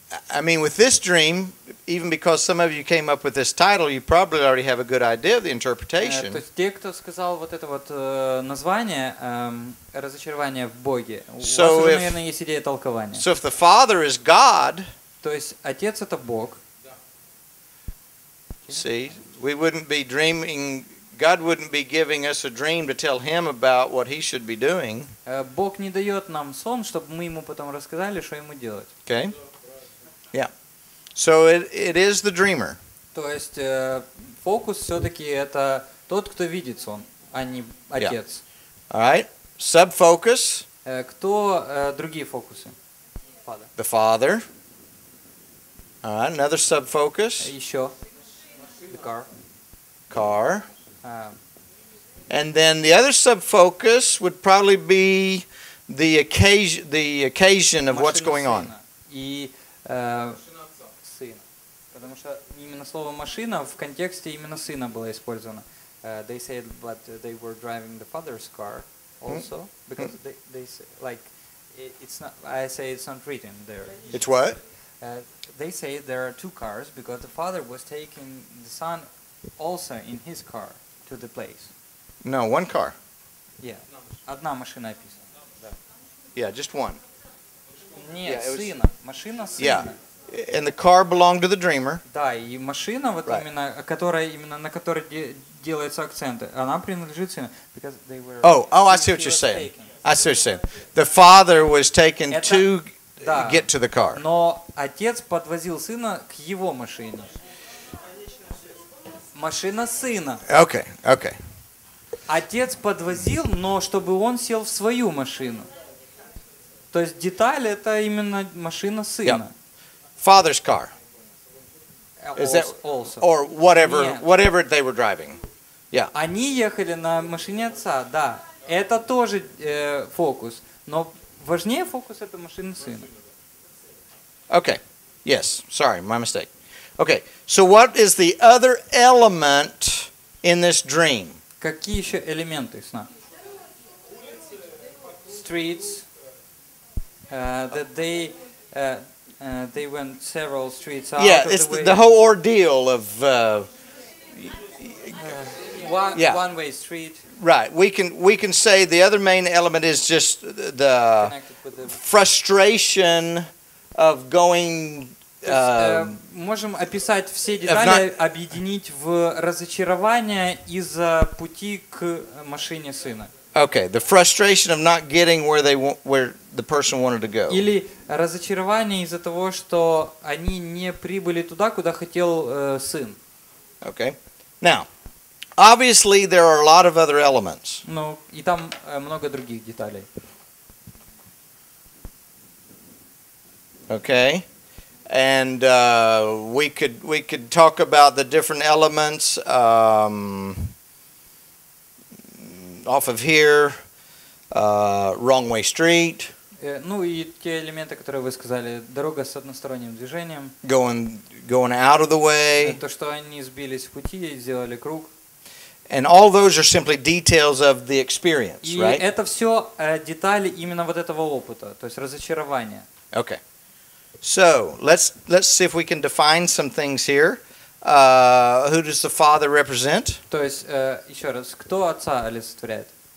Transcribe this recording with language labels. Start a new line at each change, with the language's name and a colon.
English: I mean, with this dream, even because some of you came up with this title, you probably already have a good idea of the interpretation.
Russian: То есть те, кто сказал вот это вот название «Разочарование в Боге», у вас уже, наверное, есть идея толкования.
English: So if the Father is God,
Russian: то есть отец это Бог.
English: See, we wouldn't be dreaming. God wouldn't be giving us a dream to tell him about what he should be doing.
Russian: Бог не дает нам сон, чтобы мы ему потом рассказали, что ему делать.
English: Okay. Yeah. So it is the dreamer.
Russian: То есть фокус все-таки это тот, кто видит сон, а не отец.
English: Yeah. All right. Subfocus.
Russian: Кто другие фокусы? Father.
English: The father. All right. Another subfocus. Еще. The car. Car. And then the other subfocus would probably be the occasion of what's going on.
Russian: Сына. Потому что именно слово машина в контексте именно сына было использовано.
English: They said, but they were driving the father's car also, because they say, like, it's not written there. It's what? They say there are two cars because the father was taking the son also in his car to the place. No, one car.
Russian: Yeah. Одна машина описана.
English: Yeah, just one.
Russian: Нет, машина сына.
English: And the car belonged to the dreamer.
Russian: Да, и машина вот именно, которая именно на которой делается акцент, она принадлежит сыну.
English: Oh, I see what you're saying. The father was taken to get to the car.
Russian: Но отец подвозил сына к его машине. Машина сына.
English: Okay.
Russian: Отец подвозил, но чтобы он сел в свою машину. То есть деталь это именно машина сына.
English: Yep. Father's car. Is that also. Or whatever, whatever they were driving. Yeah.
Russian: Они ехали на машине отца, да. Это тоже фокус. Но важнее фокус это машина сына.
English: Okay. Yes. Sorry, my mistake. Okay. So what is the other element in this dream?
Russian: Какие еще элементы сна?
English: Streets. They went several streets out. Yeah, it's the whole ordeal of one way street. Right. We can say the other main element is just the frustration of going.
Russian: Можем описать все детали, объединить в разочарование из-за пути к машине сына.
English: Okay, the frustration of not getting where the person wanted to go.
Russian: Или разочарование из-за того, что они не прибыли туда, куда хотел сын.
English: Okay. Now, obviously there are a lot of other elements.
Russian: Ну, и там много других деталей.
English: Okay. And we could talk about the different elements off of here, wrong way street.
Russian: Ну и те элементы, которые вы сказали, дорога с односторонним движением.
English: Going out of the way.
Russian: То, что они сбились в пути и сделали круг.
English: And all those are simply details of the experience,
Russian: и
English: right?
Russian: И это все детали именно вот этого опыта, то есть разочарования.
English: Okay. So let's see if we can define some things here. Who does the father represent?
Russian: То есть еще раз, кто отца олицетворяет?